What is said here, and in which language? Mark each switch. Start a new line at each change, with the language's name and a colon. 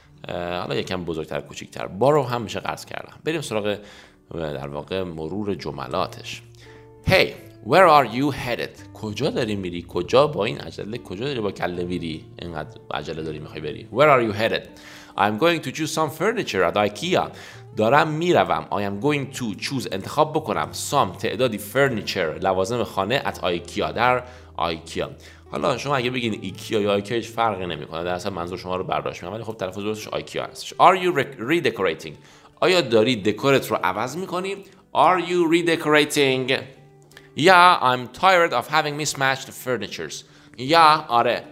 Persian: حالا یکم بزرگتر کوچیکتر. بارو هم میشه قرض کردن. بریم سراغ در واقع مرور جملاتش.
English: Hey, where are you headed?
Persian: کجا داری میری؟ کجا با این عجله؟ کجا داری با کله میری؟ اینقدر عجله داری میخوای بری؟
English: Where are you headed? I'm going to choose some furniture at IKEA.
Persian: دارم میروم.
English: I am going to choose،
Persian: انتخاب بکنم.
English: Some،
Persian: تعدادی
English: furniture،
Persian: لوازم خانه،
English: at IKEA، در IKEA.
Persian: حالا شما اگه بگین IKEA یا IKEA هیچ فرقی نمیکنه، در اصل منظور شما رو برداشت میکنم، ولی خب تلفظ درستش IKEA هستش.
English: Are you redecorating؟
Persian: آیا داری دکورت رو عوض میکنی؟
English: Are you redecorating? Yeah, I'm tired of having mismatched furnitures. Yeah,
Persian: آره.